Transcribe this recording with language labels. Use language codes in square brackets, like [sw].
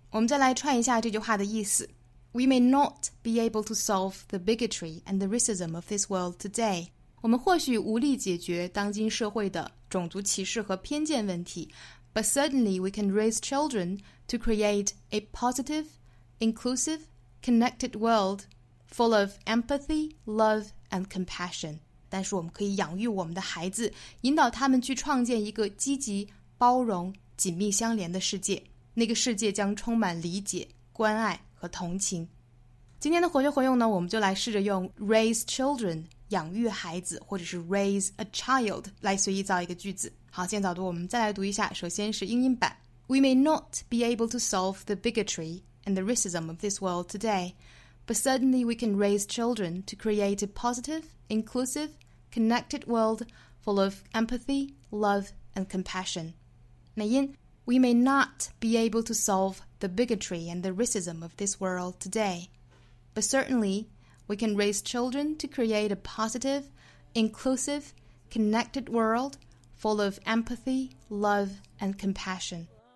[zh] 我们再来串一下这句话的意思。 [en] We may not be able to solve the bigotry and the racism of this world today。 [zh] 我们或许无力解决当今社会的种族歧视和偏见问题， [en] But certainly we can raise children to create a positive, inclusiveconnected world full of empathy, love and compassion。 [zh] 但是我们可以养育我们的孩子，引导他们去创建一个积极、包容、紧密相连的世界，那个世界将充满理解、关爱和同情。今天的活学活用呢，我们就来试着用 raise children 养育孩子，或者是 raise a child 来随意造一个句子。好，现在早读我们再来读一下，首先是英音版。 [en] We may not be able to solve the bigotryand the racism of this world today, but certainly we can raise children to create a positive, inclusive, connected world full of empathy, love, and compassion. 美音 We may not be able to solve the bigotry and the racism of this world today, but certainly we can raise children to create a positive, inclusive, connected world full of empathy, love, and compassion.